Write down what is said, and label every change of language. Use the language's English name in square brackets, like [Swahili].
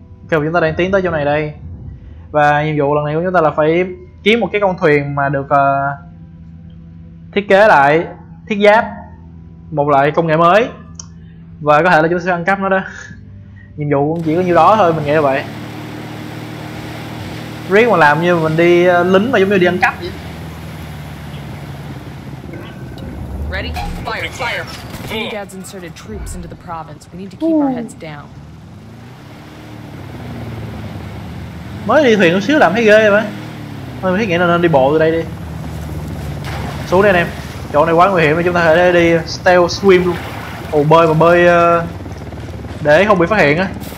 [Vietnamese] Kiểu chúng ta đang tiến tới chỗ này đây. Và nhiệm vụ lần này của chúng ta là phải kiếm một cái con thuyền mà được thiết kế lại thiết giáp một loại công nghệ mới. Và có thể là chúng ta sẽ ăn cắp nó đó. Nhiệm vụ cũng chỉ có nhiêu đó thôi, mình nghĩ là vậy. Riêng mà làm như mình đi lính mà giống như đi ăn cắp vậy. [English] Ready? Fire! Fire! Dad's inserted troops into the province. We need to keep our heads down. [Vietnamese] Mới đi thuyền một xíu làm thấy ghê vậy. Thôi mình thấy nghĩ là nên đi bộ từ đây đi. Xuống đây anh em. Chỗ này quá nguy hiểm mà chúng ta có thể đi stealth swim luôn. Ồ bơi mà bơi để không bị phát hiện á.